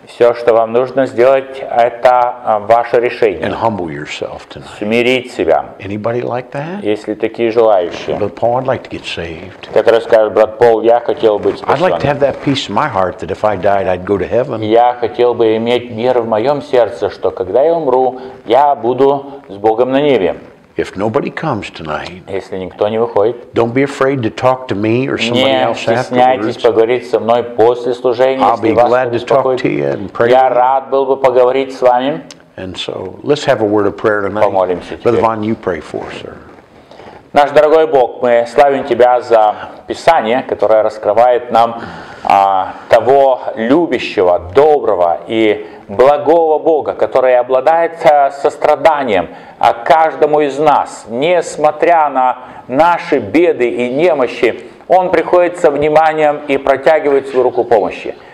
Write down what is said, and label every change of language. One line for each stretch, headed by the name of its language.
Russian: Все, что вам нужно сделать, это ваше решение.
English: And humble yourself tonight.
Russian: Смирить себя.
English: Anybody like that?
Russian: Есть ли такие желающие?
English: Brother Paul, I'd like to get saved.
Russian: Так расскажет брат Пол, я хотел быть спасен.
English: I'd like to have that peace in my heart that if I died, I'd go to heaven.
Russian: Я хотел бы иметь мир в моем сердце, что когда я умру, я буду с Богом на небе.
English: If nobody comes tonight,
Russian: если никто не выходит,
English: don't be afraid to talk to me or somebody
Russian: не
English: else afterwards.
Russian: Не стесняйтесь поговорить со мной после служения.
English: I'll be glad to talk to you and pray.
Russian: Я рад был бы поговорить с вами.
English: And so, let's have a word of prayer tonight.
Russian: Помолимся теперь.
English: Brother Vaughn, you pray for us, sir.
Russian: Наш дорогой Бог, мы славим Тебя за Писание, которое раскрывает нам того любящего, доброго и благого Бога, который обладает состраданием о каждому из нас, несмотря на наши беды и немощи, Он приходит со вниманием и протягивает свою руку помощи.